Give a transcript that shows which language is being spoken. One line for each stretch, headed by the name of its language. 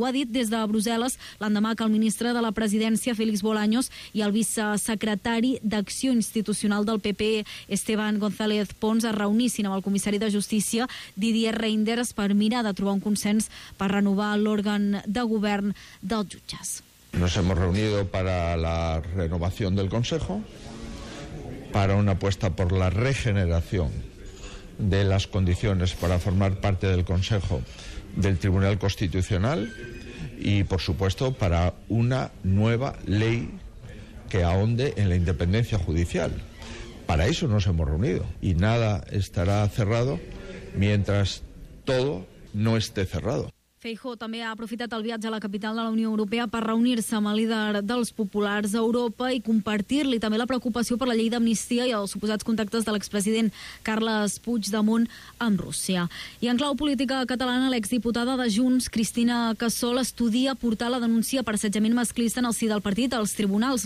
Catalan: Ho ha dit des de Brussel·les l'endemà que el ministre de la Presidència, Félix Bolaños, i el vicesecretari d'Acció Institucional del PP, Esteban González Pons, es reunissin amb el comissari de Justícia, Didier Reynders, per mirar de trobar un consens per renovar l'òrgan de govern dels jutges.
Spanish: Nos hemos reunido para la renovación del Consejo, para una apuesta por la regeneración de las condiciones para formar parte del Consejo del Tribunal Constitucional y, por supuesto, para una nueva ley que ahonde en la independencia judicial. Para eso nos hemos reunido y nada estará cerrado mientras todo no esté cerrado.
Catalan: Feijóo també ha aprofitat el viatge a la capital de la Unió Europea per reunir-se amb el líder dels populars a Europa i compartir-li també la preocupació per la llei d'amnistia i els suposats contactes de l'expresident Carles Puigdemont amb Rússia. I en clau política catalana, l'exdiputada de Junts, Cristina Cassol, estudia portar la denúncia per assetjament masclista en el si del partit als tribunals.